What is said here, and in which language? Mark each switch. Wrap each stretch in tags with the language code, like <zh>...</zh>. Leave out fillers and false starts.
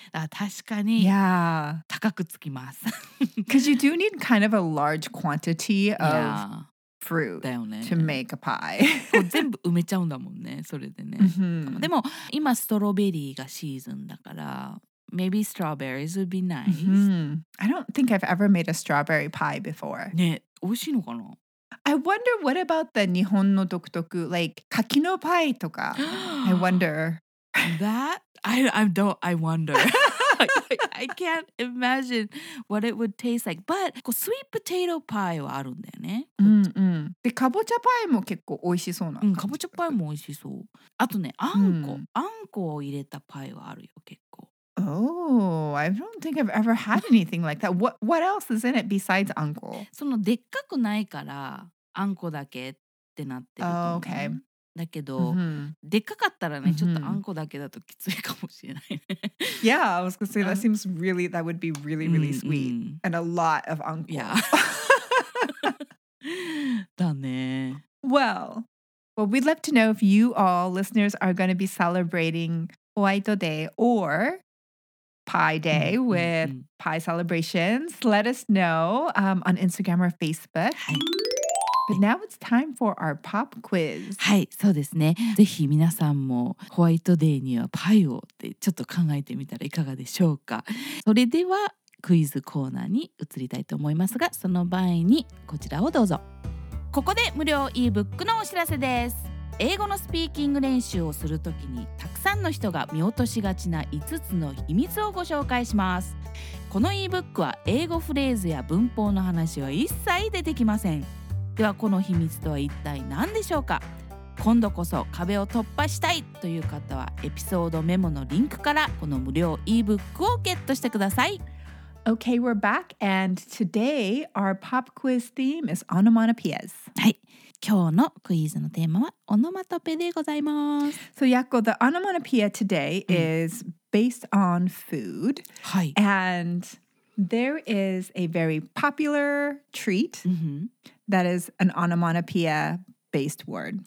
<ja>だから確かに高くつきます。</ja> <en>Because you do need kind of a large quantity of fruit to make a pie.</en> <ja>全部埋めちゃうんだもんね、それでね。 Mm-hmm. でも今ストロベリーがシーズンだから、</ja> <en>maybe strawberries would be nice. Mm-hmm. I don't think I've ever made a strawberry pie before.</en> <ja>ね、美味しいのかな？</ja> <en>I wonder what about the</en> <ja>日本の独特</ja> <en>like</en> <ja>柿のパイとか</ja> <en>I wonder that I wonder I can't imagine what it would taste like but sweet potato pie</en> <ja>はあるんだよねでかぼちゃパイも結構美味しそうな、かぼちゃパイも美味しそうあとねあんこ、あんこを入れたパイはあるよ結構</ja> <en>Oh, I don't think I've ever had anything like that. What else is in it besides anko?</en> <ja>そのでっかくないからあんこだけってなってると思う。</ja> <en>Oh, okay.</en> <ja>だけど、でっかかったらね、ちょっとあんこだけだときついかもしれないね。</ja> <en>Yeah, I was gonna say that seems really, that would be really, really sweet. And a lot of anko. Yeah.</en> <ja>だね。</ja> <en>Well, we'd love to know if you all listeners are going to be celebrating Hoaito Day or Pie Day with pie celebrations. Let us know on Instagram or Facebook. But now it's time for our pop quiz.</en> <ja>はい、そうですね。ぜひ皆さんもホワイトデーにはパイをってちょっと考えてみたらいかがでしょうか。それではクイズコーナーに移りたいと思いますが、その場合にこちらをどうぞ。ここで無料 e-book のお知らせです。英語のスピーキング練習をするときにたくさんの人が見落としがちな5つの秘密をご紹介します。この e-book は英語フレーズや文法の話は一切出てきません。ではこの秘密とは一体何でしょうか？今度こそ壁を突破したいという方はエピソードメモのリンクからこの無料 e-book をゲットしてください。</ja> <en>Okay, we're back and today our pop quiz theme is onomatopoeias.</en> <ja>はい。今日のクイズのテーマはオノマトペでございます。</ja> <en>So, Yakko, the onomatopoeia today is based on food.</en> <ja>はい。</ja> <en>And there is a very popular treat that is an onomatopoeia based word.</en>